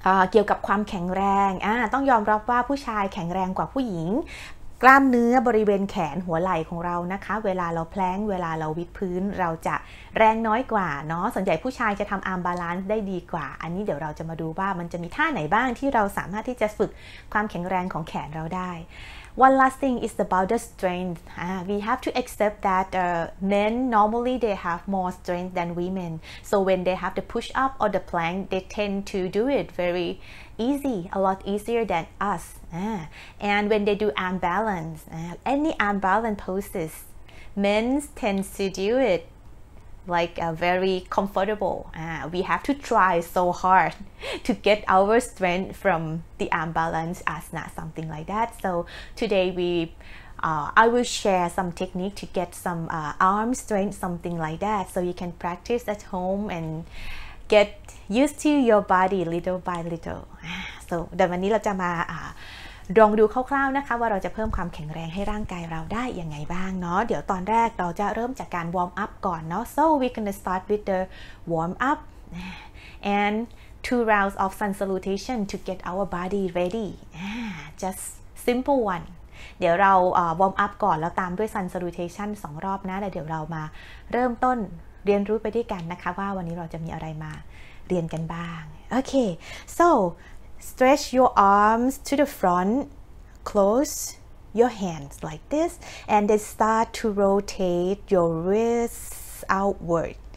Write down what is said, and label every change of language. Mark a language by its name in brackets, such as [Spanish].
[Thai] เกี่ยวกับความแข็งแรงต้องยอมรับว่าผู้ชายแข็งแรงกว่าผู้หญิงกล้ามเนื้อบริเวณแขนหัวไหล่ของเรานะคะเวลาเราแพลงเวลาเราวิดพื้นเราจะแรงน้อยกว่าเนาะส่วนใหญ่ผู้ชายจะทำอาร์มบาลานซ์ได้ดีกว่าอันนี้เดี๋ยวเราจะมาดูว่ามันจะมีท่าไหนบ้างที่เราสามารถที่จะฝึกความแข็งแรงของแขนเราได้ [English] One last thing is about the strength. We have to accept that men normally they have more strength than women. So when they have the push up or the plank, they tend to do it very easy, a lot easier than us. And when they do arm balance, any arm balance poses, men tend to do it like very comfortable. We have to try so hard to get our strength from the arm balance asana, something like that. So today I will share some technique to get some arm strength, something like that. So you can practice at home and get used to your body little by little. [Thai] So แต่วันนี้เราจะมาลองดูคร่าวๆนะคะว่าเราจะเพิ่มความแข็งแรงให้ร่างกายเราได้ยังไงบ้างเนาะเดี๋ยวตอนแรกเราจะเริ่มจากการวอร์มอัพก่อนเนาะ [English] so we're gonna start with the warm up and two rounds of sun salutation to get our body ready just simple one [Thai] เดี๋ยวเราวอร์มอัพก่อนแล้วตามด้วย sun salutation 2 รอบนะแล้วเดี๋ยวเรามาเริ่มต้นเรียนรู้ไปด้วยกันนะคะว่าวันนี้เราจะมีอะไรมาเรียนกันบ้างโอเค [English] so stretch your arms to the front close your hands like this and then start to rotate your wrists outward